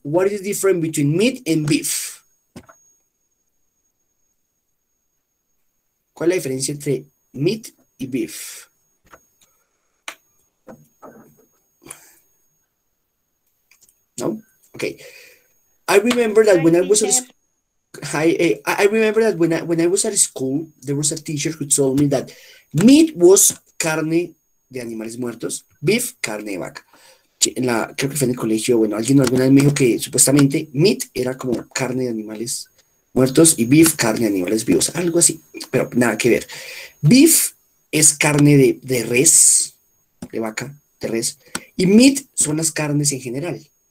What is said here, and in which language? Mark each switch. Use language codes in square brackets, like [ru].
[en] What is the difference between meat and beef? [es] ¿Cuál es la diferencia entre meat y beef? [en] No, okay. I remember that Hi, when I was at teacher. school. I remember that when I was at school, there was a teacher who told me that meat was [es] carne de animales muertos, beef carne de vaca. Creo que fue en el colegio. Bueno, alguien alguna vez me dijo que supuestamente meat era como carne de animales muertos y beef carne de animales vivos, algo así. Pero nada que ver. Beef es carne de res, de vaca, de res. Y meat son las carnes en general.